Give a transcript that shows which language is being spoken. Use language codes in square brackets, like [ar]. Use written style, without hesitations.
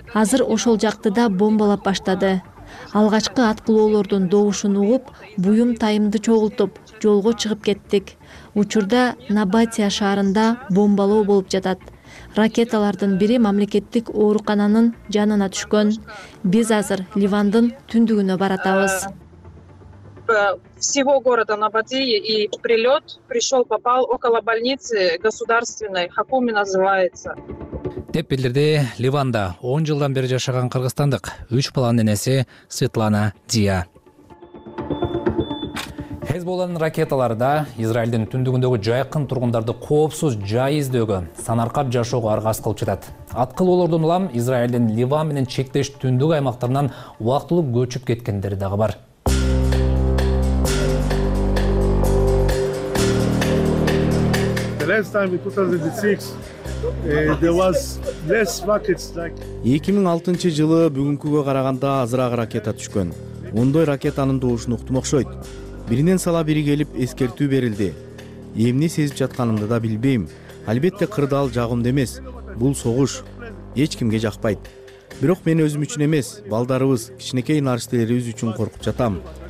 [ky] Азыр ошол жакты да бомбалап баштады. Алгачкы аткылоолордун добушун угуп, буюм тайымды чогултуп, жолго чыгып кеттик. Учурда Набатия шаарында бомбалоо болуп жатат. Ракеталардын бири мамлекеттик оорукананын жанына түшкөн. Биз азыр Ливандын түндүгүнө баратабыз. [ru] Всего города Набатии и прилет пришел, попал около больницы государственной, Хакуми называется. [ky] Деп билдирди Ливанда 10 жылдан бери жашаган кыргызстандык 3 баланын энеси Светлана Дия. Хезболлонун ракеталары да Израилдин түндүгүндөгү жайкын тургундарды коопсуз жай издөөгө, санаркап жашоого аргасыз кылып жатат. Аткылоолордон улам Израилдин Ливан менен чектеш түндүк аймактарынан убактылуу көчүп кеткендери дагы бар. [en] Last time in 2006 there was less rockets like [ky] 2006 жылы бүгүнкүгө караганда азыраак ракета түшкөн. Ондой ракетанын добушун уктум окшойт. Биринен сала бири келип эскертүү берилди. Эмне сезип жатканымды да билбейм. Албетте кырдаал жагымды эмес. Бул согуш эч кимге жакпайт. Бирок мен өзүм үчүн эмес, балдарыбыз, кичинекей нарыштелерибиз үчүн коркуп жатам.